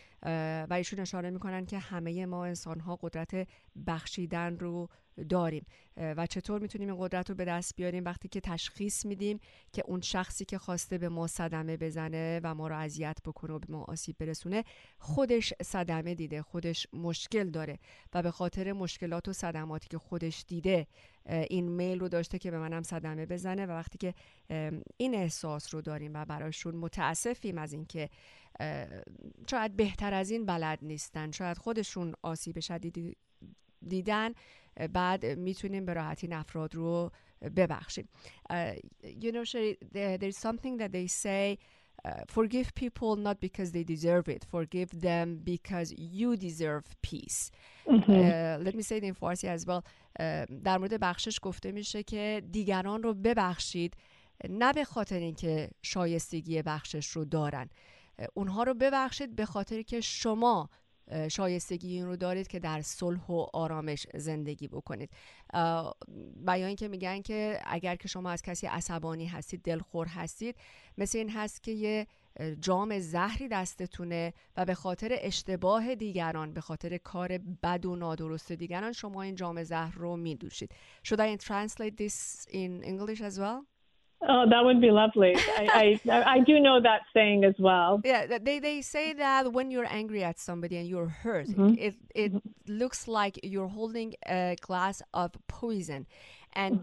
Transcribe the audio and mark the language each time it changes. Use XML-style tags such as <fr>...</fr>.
<fa>و ایشون اشاره میکنن که همه ما انسانها قدرت بخشیدن رو داریم، و چطور میتونیم این قدرت رو به دست بیاریم وقتی که تشخیص میدیم که اون شخصی که خواسته به ما صدمه بزنه و ما رو اذیت بکنه و به ما آسیب برسونه خودش صدمه دیده، خودش مشکل داره و به خاطر مشکلات و صدماتی که خودش دیده این میل رو داشته که به منم صدمه بزنه، و وقتی که این احساس رو داریم و براشون متاسفیم از اینکه شاید بهتر از این بلد نیستن، شاید خودشون آسیب شدیدی دیدن، بعد میتونیم به راحتی این افراد رو ببخشیم.</fa> <en>You know, Sherry, there's something that they say, forgive people not because they deserve it, forgive them because you deserve peace. Let me say it in Farsi as well.</en> <fa>در مورد بخشش گفته میشه که دیگران رو ببخشید نه به خاطر اینکه شایستگی بخشش رو دارن، اونها رو ببخشید به خاطر که شما شایستگی این رو دارید که در صلح و آرامش زندگی بکنید. بیان این که میگن که اگر که شما از کسی عصبانی هستید، دلخور هستید، مثل این هست که یه جام زهری دستتونه و به خاطر اشتباه دیگران، به خاطر کار بد و نادرست دیگران، شما این جام زهر رو میدوشید.</fa> <en>Should I translate this in English as well? Oh, that would be lovely. I do know that saying as well. Yeah, they say that when you're angry at somebody and you're hurt, mm-hmm. it mm-hmm. looks like you're holding a glass of poison. And mm-hmm.</en>